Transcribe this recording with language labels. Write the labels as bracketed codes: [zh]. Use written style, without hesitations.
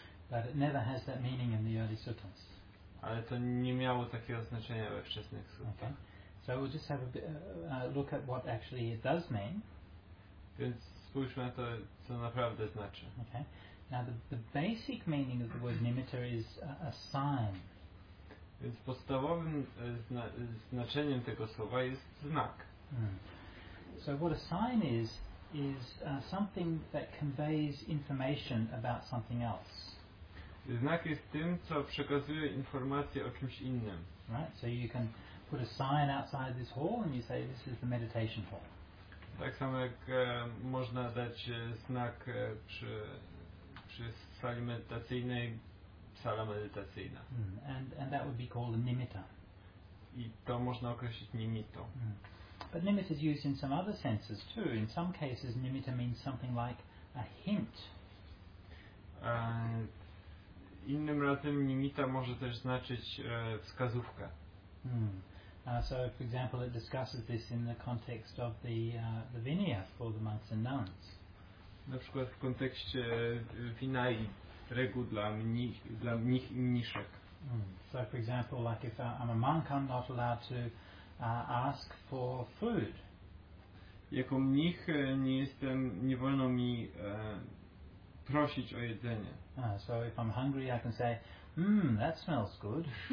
[en] But it never has that meaning in the early suttas. [pl] Ale to nie miało takiego znaczenia we wczesnych sutrach. [en] Okay. So we'll just have a bit, look at what actually it does mean. [pl] Więc spójrzmy na to, co naprawdę znaczy. [en] Okay. Now the basic meaning of the word nimitta is a sign. [pl] Więc podstawowym znaczeniem tego słowa jest znak. Mm. [en] So what a sign is something that conveys information about something else. [pl] Znak jest tym, co przekazuje informację o czymś innym. [en] Right? So you can put a sign outside this hall and you say this is the meditation hall. [pl] Tak samo jak można dać znak przy sali medytacyjnej, sala medytacyjna. Mm. [en] And that would be called a nimitta. [pl] I to można określić nimitą. Mm. [en] But nimitta is used in some other senses too. In some cases nimitta means something like a hint. [pl] Innym razem nimitta może też znaczyć wskazówkę. Mm. [en] So for example it discusses this in the context of the vinaya for the monks and nuns. [pl] Na przykład w kontekście vinai, reguł dla mnich i mniszek. Mm. [en] So for example like if I'm a monk I'm not allowed to ask for food. [pl] Jako mnich nie wolno mi prosić o jedzenie. [en] So if I'm hungry I can say, that smells good.